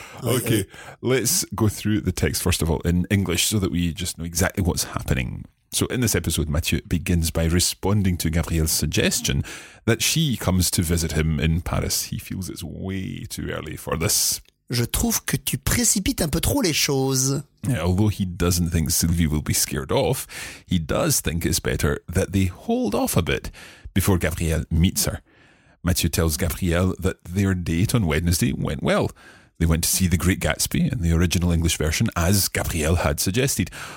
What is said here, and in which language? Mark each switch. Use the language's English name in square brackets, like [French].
[English] Ok, let's go through the text first of all in English so that we just know exactly what's happening. So in this episode, Mathieu begins by responding to Gabrielle's suggestion that she comes to visit him in Paris. He feels it's way too early for this. [French] Je trouve que tu précipites un peu trop les choses. [English] Yeah, although he doesn't think Sylvie will be scared off, he does think it's better that they hold off a bit before Gabrielle meets her. Mathieu tells Gabrielle that their date on Wednesday went well. They went to see The Great Gatsby in the original English version, as Gabrielle had suggested.